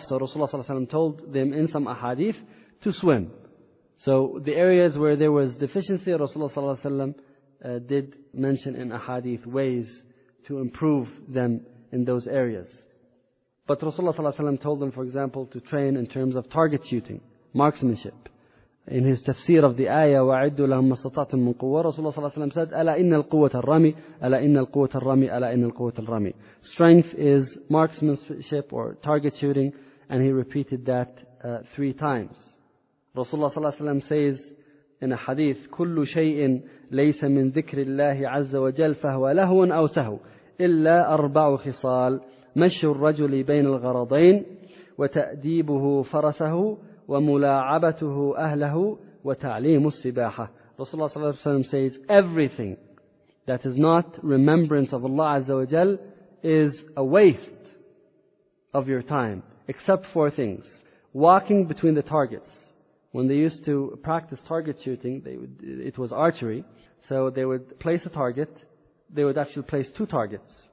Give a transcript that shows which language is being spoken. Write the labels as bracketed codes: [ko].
[en] So Rasulullah sallallahu alaihi wasallam told them in some ahadith to swim. So the areas where there was deficiency, Rasulullah sallallahu alaihi wasallam did mention in ahadith ways to improve them in those areas. But Rasulullah sallallahu alaihi wasallam told them, for example, to train in terms of target shooting, marksmanship. In his tafsir of the ayah, [ar] وَعِدُّ لَهُمَّ اسْتَطَعْتُمْ مِنْ قُوَّةٍ, [en] Rasulullah sallallahu alaihi wasallam said, [ar] أَلَا إِنَّ الْقُوَّةَ الرَّمِي, أَلَا إِنَّ الْقُوَّةَ الرَّمِي, أَلَا إِنَّ الْقُوَّةَ الرَّمِي. [en] Strength is marksmanship or target shooting, and he repeated that three times. Rasulullah sallallahu alaihi wasallam says in a hadith, [ar] كُلُّ شَيْءٍ لَيْسَ مِنْ ذِكْرِ اللَّهِ عَزَّ وَجَلْ فَهُوَ لَهُوٌ أَوْ سَهُوٌ إِلَّا أَرْبَعُ خِصَالٍ, مَشُّ الرَّجُلِ بَيْنَ الْغَرَضَيْنِ, وَتَأْدِيبُهُ فَرَسَهُ, وَمُلَاعَبَتُهُ أَهْلَهُ, وَتَعْلِيمُ السِّبَاحَةِ. [en] Rasulullah sallallahu alaihi wasallam says, everything that is not remembrance of Allah azza wa jal is a waste of your time, except four things. Walking between the targets. When they used to practice target shooting, it was archery, so they would place a target, they would actually place two targets.